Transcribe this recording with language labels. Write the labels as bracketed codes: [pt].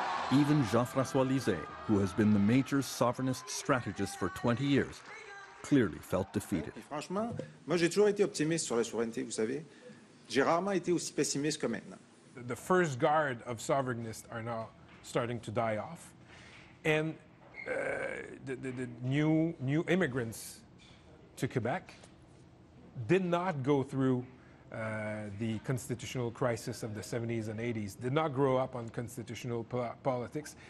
[en] Even Jean-François Lisée, who has been the major sovereignist strategist for 20 years, clearly felt defeated. [fr] Franchement, moi j'ai toujours été optimiste sur la souveraineté, vous savez. J'ai rarement été aussi pessimiste que maintenant. [en] The first guard of sovereignists are now starting to die off, and the new immigrants to Quebec did not go through the constitutional crisis of the 70s and 80s, did not grow up on constitutional politics.